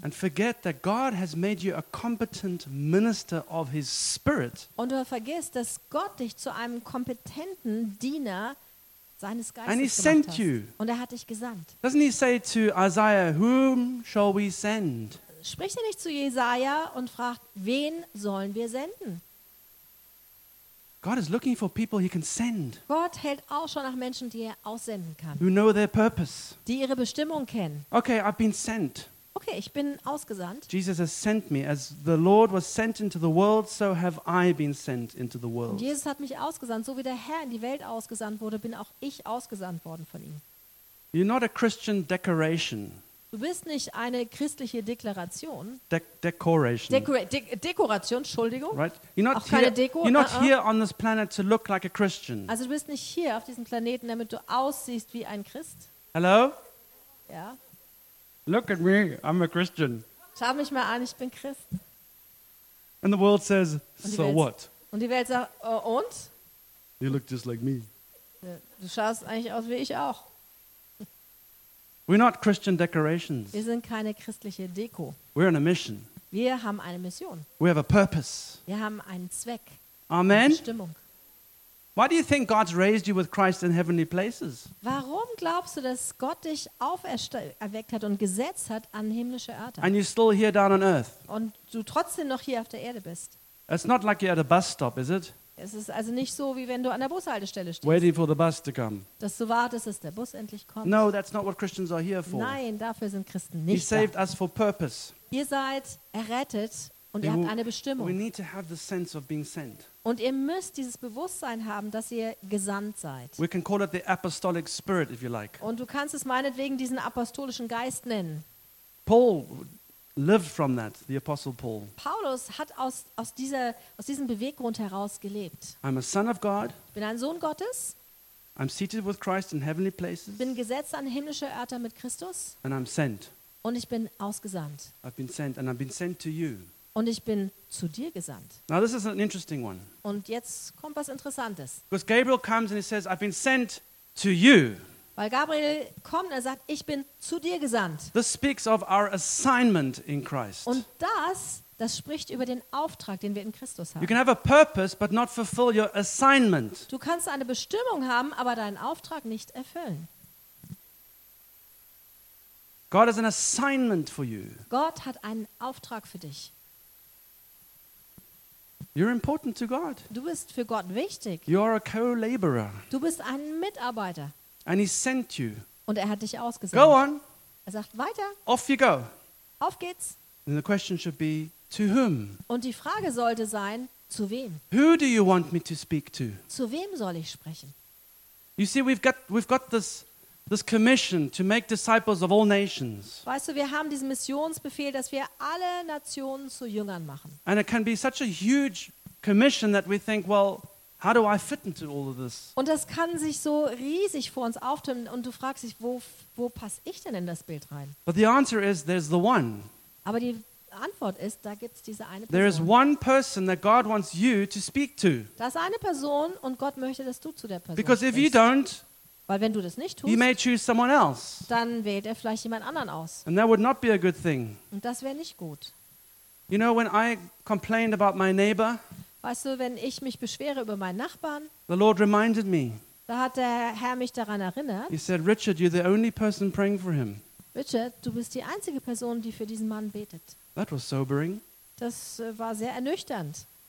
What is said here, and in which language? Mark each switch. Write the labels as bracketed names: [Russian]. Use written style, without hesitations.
[English] And forget that God has made you a competent minister of His Spirit. [German] Und du vergisst, dass Gott dich zu einem kompetenten Diener seines Geistes [English] and he sent you. [German] Und er hat dich gesandt. [English] Doesn't he say to Isaiah, whom shall we send? [German] Spricht er nicht zu Jesaja und fragt, wen sollen wir senden? [English] God is looking for people he can send. [German] Gott hält auch schon nach Menschen, die er aussenden kann. [English] Who know their purpose. [German] Die ihre Bestimmung kennen. [English] Okay, I've been sent. [German] Okay, ich bin ausgesandt. [English] Jesus has sent me. As the Lord was sent into the world, so have I been sent into the world. [German] Und Jesus hat mich ausgesandt. So wie der Herr in die Welt ausgesandt wurde, bin auch ich ausgesandt worden von ihm. [English] You're not a Christian decoration. [German] Du bist nicht eine christliche Deklaration. [English] Decoration. [German] Dekoration, Entschuldigung. [English] Right? You're not here on this planet to look like a Christian. [German] Also du bist nicht hier auf diesem Planeten, damit du aussiehst wie ein Christ. [English] Hello? [German] Ja. [English] Look at me, I'm a Christian. [German] Schau mich mal an, ich bin Christ. [English] And the world says, so what? [German] Und die Welt sagt, und? [English] You look just like me. [German] Du schaust eigentlich aus wie ich auch. [English] We're not Christian decorations. [German] Wir sind keine christliche Deko. [English] We're on a mission. [German] Wir haben eine Mission. [English] We have a purpose. [German] Wir haben einen Zweck. [English] Amen. [German] Bestimmung. [English] Why do you think God's raised you with Christ in heavenly places? [German] Warum glaubst du, dass Gott dich auferweckt hat und gesetzt hat an himmlische Orte? [English] And you're still here down on earth. [German] Und du trotzdem noch hier auf der Erde bist. [English] It's not like you're at a bus stop, is it? [German] Es ist also nicht so, wie wenn du an der Bushaltestelle stehst. [English] Waiting for the bus to come. [German] Dass du wartest, dass der Bus endlich kommt. [English] No, that's not what Christians are here for. [German] Nein, dafür sind Christen nicht [English] da. He saved us for purpose. [German] Ihr seid errettet und ihr habt eine Bestimmung. [English] We need to have the sense of being sent. [German] Und ihr müsst dieses Bewusstsein haben, dass ihr gesandt seid. [English] We can call it the apostolic spirit, if you like. [German] Und du kannst es meinetwegen diesen apostolischen Geist nennen. [English] Paul lived from that, the Apostle Paul. [German] Paulus hat aus diesem Beweggrund heraus gelebt. [English] I'm a son of God. [German] Bin ein Sohn Gottes. [English] I'm seated with Christ in heavenly places. [German] Bin gesetzt an himmlische Orte mit Christus. [English] And I'm sent. [German] Und ich bin ausgesandt. [English] I've been sent, and I've been sent to you. [German] Und ich bin zu dir gesandt. [English] Now this is an interesting one. [German] Und jetzt kommt was Interessantes. [English] Because Gabriel comes and he says, I've been sent to you. [German] Weil Gabriel kommt und er sagt, ich bin zu dir gesandt. [English] This speaks of our assignment in Christ. [German] Und das spricht über den Auftrag, den wir in Christus haben. [English] You can have a purpose, but not fulfill your assignment. [German] Du kannst eine Bestimmung haben, aber deinen Auftrag nicht erfüllen. [English] God has an assignment for you. [German] Gott hat einen Auftrag für dich. [English] You're important to God. [German] Du bist für Gott wichtig. [English] You are a co-laborer. [German] Du bist ein Mitarbeiter. [English] And he sent you. [German] Und er hat dich ausgesandt. [English] Go on. [German] Er sagt weiter. [English] Off you go. [German] Auf geht's. [English] And the question should be to whom? [German] Und die Frage sollte sein, zu wem? [English] Who do you want me to speak to? [German] Zu wem soll ich sprechen? [English] You see, we've got this commission to make disciples of all nations. [German] Weißt du, wir haben diesen Missionsbefehl, dass wir alle Nationen zu Jüngern machen. [English] And it can be such a huge commission that we think, well, how do I fit into all of this? [German] Und das kann sich so riesig vor uns auftun und du fragst dich, wo passe ich denn in das Bild rein? [English] But the answer is, there's the one. [German] Aber die Antwort ist, da gibt's diese eine Person. [English] There is one person that God wants you to speak to. [German] Da ist eine Person und Gott möchte, dass du zu der Person. [English] Because if you don't, [German] weil wenn du das nicht tust, [English] he may choose someone else. [German] Dann wählt er vielleicht jemand anderen aus. [English] And that would not be a good thing. [German] Und das wäre nicht gut. [English] You know, when I complained about my neighbor. [German] Weißt du, wenn ich mich beschwere über meinen Nachbarn, [English] the Lord reminded me. [German] Da hat der Herr mich daran erinnert. [English] He said, Richard, you're the only person praying for him. [German] Richard, du bist die einzige Person, die für diesen Mann betet. [English] That was sobering. [German] Das war sehr ernüchternd.